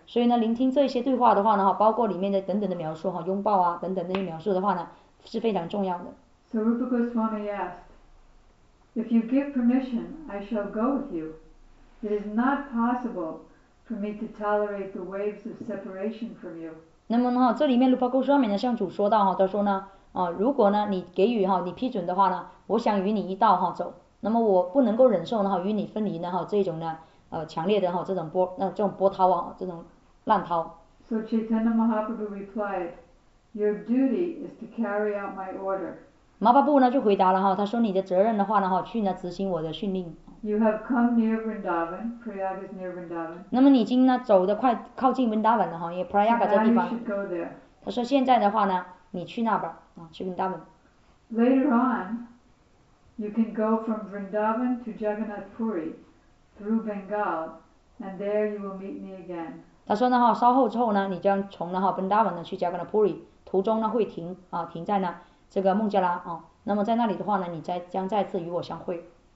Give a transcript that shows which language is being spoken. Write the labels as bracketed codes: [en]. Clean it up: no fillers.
[zh] 所以呢，聆听这些对话的话呢，包括里面的等等的描述哈，拥抱啊等等那些描述的话呢，是非常重要的。 [en] So Rupa Goswami asked, "If you give permission, I shall go with you. It is not possible for me to tolerate the waves of separation from you." [zh] 那么呢，这里面 Rupa Goswami 呢向主说到哈，他说呢，如果呢你给予哈你批准的话呢，我想与你一道哈走。那么我不能够忍受呢哈与你分离呢哈这种呢强烈的哈这种波那这种波涛啊这种浪涛。 [en] So Chaitanya Mahaprabhu replied, "Your duty is to carry out my order." [zh] 马巴布呢就回答了哈，他说你的责任的话呢哈去呢执行我的训令。 [en] You have come near Vrindavan. Prayag is near Vrindavan. [zh] 那么你已经呢走得快靠近 Vrindavan 了哈，因为 Prayag 这地方。 [en] So now you should go there. [zh] 他说现在的话呢，你去那边啊，去 Vrindavan。 [en] Later on, you can go from Vrindavan to Jagannath Puri through Bengal, and there you will meet me again. [zh] 他说呢哈，稍后之后呢，你将从呢哈本达文呢去加格纳普里，途中呢会停啊，停在呢这个孟加拉啊。那么在那里的话呢，你再将再次与我相会。